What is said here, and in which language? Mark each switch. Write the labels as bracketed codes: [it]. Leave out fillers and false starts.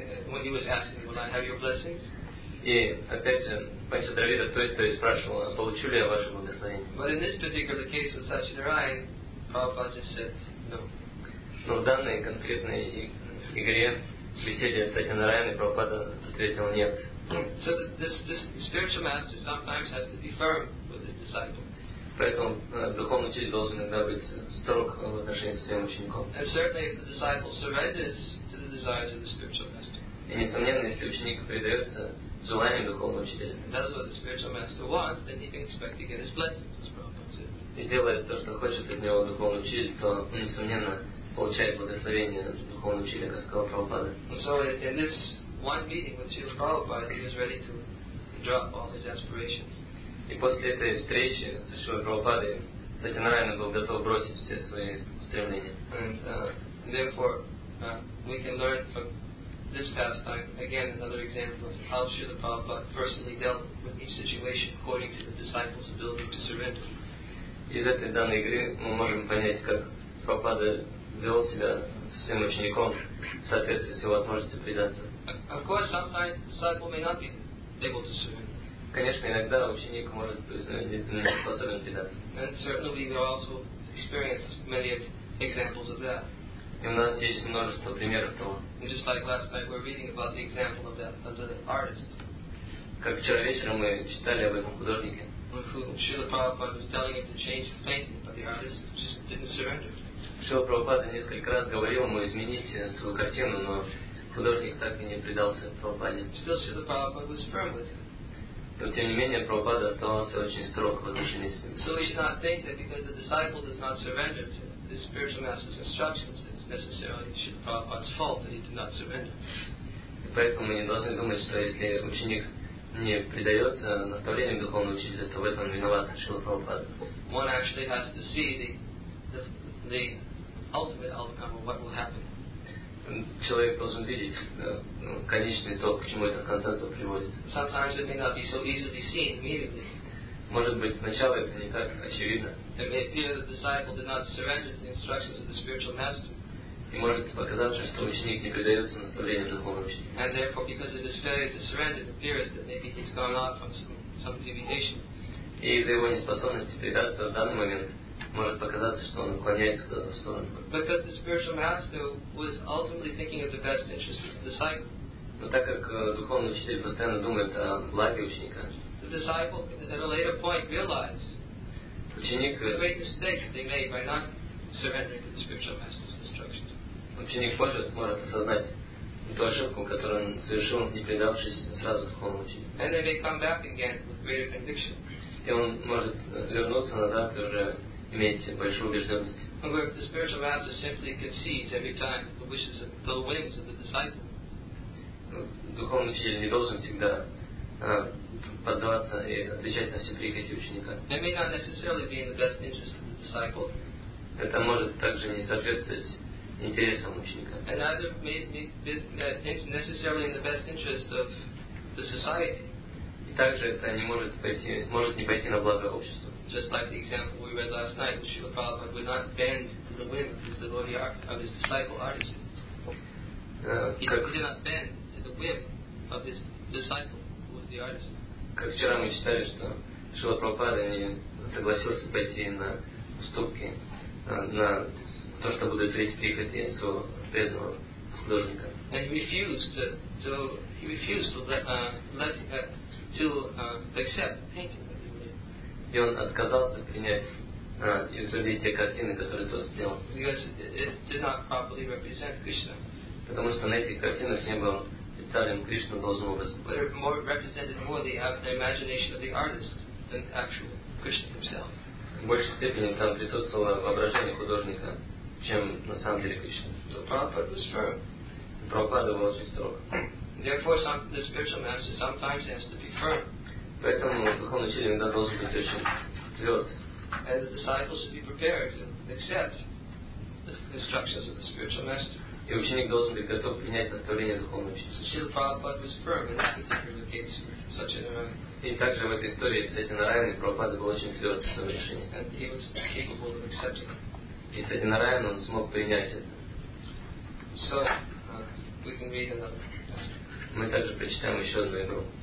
[en] When he was asking, will I have your blessings? [ru] И опять же, Панчадевита в той истории спрашивал, получу ли я ваше благословение. [en] But in this particular case with Sachidarai, Prabhupada just said, no. [ru] Но в данной конкретной игре, в беседе с Сатьянарайаной Прабхупада встретил нет. [en] So this spiritual master sometimes has to be firm with his disciple. [ru] Поэтому духовный учитель должен иногда быть строг в отношении с своим учеником. [en] And certainly if the disciple surrenders to the desires of the spiritual master. [ru] И несомненно, если ученик предается желаниям духовного учителя. [en] And that's what the spiritual master wants, then he can expect to get his blessings, as Prabhupada said. [ru] И делает то, что хочет от него духовный учитель, то несомненно получает благословение духовного учителя, как сказал Прабхупада. [en] So in this one meeting with Srila Prabhupada, he was ready to drop all his aspirations. [ru] И после этой встречи с Шрилой Прабхупадой, Сатьянарайана был готов бросить все свои стремления. [en] And therefore, we can learn from this pastime, again, another example of how Srila Prabhupada personally dealt with each situation according to the disciples' ability to surrender. [ru] Из этой данной игры мы можем понять, как Прабхупада вел себя со своим учеником в соответствии с его возможностью предаться. [en] Of course, sometimes the disciple may not be able to surrender. [ru] Конечно, иногда ученик может быть не способен предаться. [en] And certainly we also experience many examples of that. [ru] И у нас есть множество примеров того. [en] And just like last night, we're reading about the example of that of the artist. [ru] Как вчера вечером мы читали об этом художнике. [en] Srila Prabhupada was telling him to change his painting, but the artist just didn't surrender. [ru] Шрила Прабхупада несколько раз говорил ему изменить свою картину, но художник так и не предался Прабхупаде. [en] Still, Srila Prabhupada was firm with him. [ru] Но тем не менее Прабхупада оставался очень строг в отношении с ним. [en] So we should not think that because the disciple does not surrender to the spiritual master's instructions, it's necessarily Srila Prabhupada's fault that he did not surrender. [ru] И поэтому мы не должны думать, что если ученик не предается наставлению духовного учителя, то в этом виноват Шрила Прабхупада. [en] One actually has to see the ultimate outcome of what will happen. [ru] Человек должен видеть конечный итог, к чему этот консенсус приводит. [en] Sometimes it may not be so easily seen immediately. [ru] Может быть, сначала это не так очевидно. [en] It may appear that the disciple did not surrender to the instructions of the spiritual master. [ru] И может показаться, что ученик не предается наставлению духовного учителя. [en] And therefore, because of his failure to surrender, it appears that maybe he's gone off from some deviation. [ru] И из-за его неспособности предаться в данный момент может показаться, что он уклоняется куда-то в сторону. [en] Because the spiritual master was ultimately thinking of the best interest of the disciple. [ru] Но так как духовный учитель постоянно думает о благе ученика, [en] the disciple at a later point realized [ru] ученик, [en] the great mistake they made by not surrendering to the spiritual master's instructions. [ru] Ученик позже сможет осознать ту ошибку, которую он совершил, не предавшись сразу духовному учителю. [en] And they may come back again with greater conviction. [ru] И он может вернуться назад и уже иметь большую убежденность. [en] Or if the spiritual master simply concedes every time the wishes of the whims of the disciple. [ru] Духовный учитель не должен всегда поддаваться и отвечать на все прихоти ученика. [en] It may not necessarily be in the best interest of the disciple. [ru] Это может также не соответствовать интересам ученика. [en] And neither may be necessarily in the best interest of the society. [ru] Также это не может пойти, может не пойти на благо общества. [en] Just like the example we read last night, which Srila Prabhupada would not bend to the whim of his devotee of his disciple Artisan. He did not bend to the whim of his disciple who was the artisan. [ru] Как вчера мы читали, что Шрила Прабхупада не согласился пойти на уступки, на то, что будет треть прихоти своего преданного художника. [en] And Therefore, the spiritual master sometimes has to be firm. [ru] Поэтому духовный учитель иногда должен быть очень тверд. [en] And the disciples should be prepared to accept the instructions of the spiritual master. [ru] И ученик должен быть готов принять наставление духовного учителя. [en] Srila Prabhupada was firm in that particular case, such an [ru] И также в этой истории с этим Нараяной Прабхупада был очень тверд в своем решении. [en] And he was capable of accepting it. [ru] И с этим Нараяной он смог принять это. [en] So, we can read another. [ru] Мы также прочитаем еще одну игру.